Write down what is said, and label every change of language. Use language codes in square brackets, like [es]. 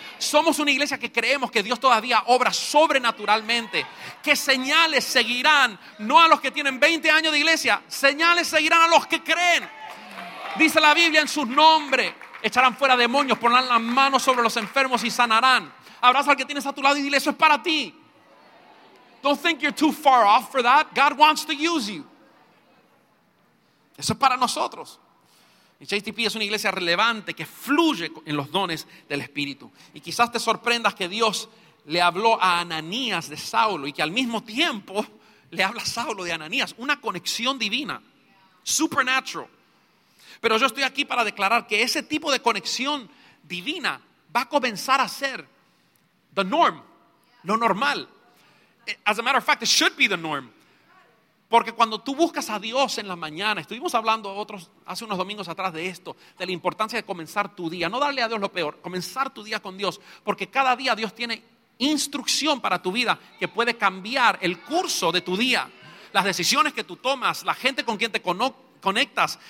[es] Somos una iglesia que creemos que Dios todavía obra sobrenaturalmente. Que señales seguirán, no a los que tienen 20 años de iglesia, señales seguirán a los que creen. Dice la Biblia: en sus nombres echarán fuera demonios, pondrán las manos sobre los enfermos y sanarán. Abraza al que tienes a tu lado y dile: eso es para ti. [en] Don't think you're too far off for that. God wants to use you. [es] Eso es para nosotros. JTP es una iglesia relevante que fluye en los dones del Espíritu. Y quizás te sorprendas que Dios le habló a Ananías de Saulo, y que al mismo tiempo le habla a Saulo de Ananías. Una conexión divina. Supernatural. Pero yo estoy aquí para declarar que ese tipo de conexión divina va a comenzar a ser [en] the norm. [es] Lo normal. [en] As a matter of fact, it should be the norm. [es] Porque cuando tú buscas a Dios en la mañana, estuvimos hablando otros hace unos domingos atrás de esto, de la importancia de comenzar tu día, no darle a Dios lo peor, comenzar tu día con Dios, porque cada día Dios tiene instrucción para tu vida que puede cambiar el curso de tu día, las decisiones que tú tomas, la gente con quien te conectas.